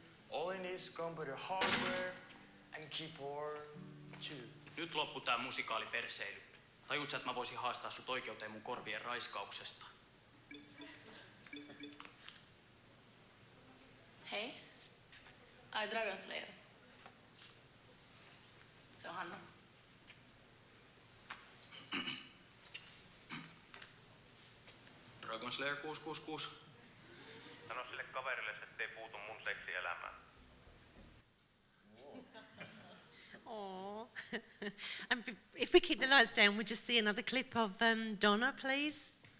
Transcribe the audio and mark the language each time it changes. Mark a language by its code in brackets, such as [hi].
[en] All he needs is computer hardware and keyboard too. [fi] Nyt loppu tää musikaali perseily. Tajuut sä, että mä voisin haastaa sut oikeuteen mun korvien raiskauksesta? [en] Hei. I Dragon Slayer. [fi] Se on Hanna. DragonSlayer666. Sano sille kaverille, ettei puutu mun seksielämään. Oh. Aww. [en] And if we keep the lights down, we'll just see another clip of Donna, please.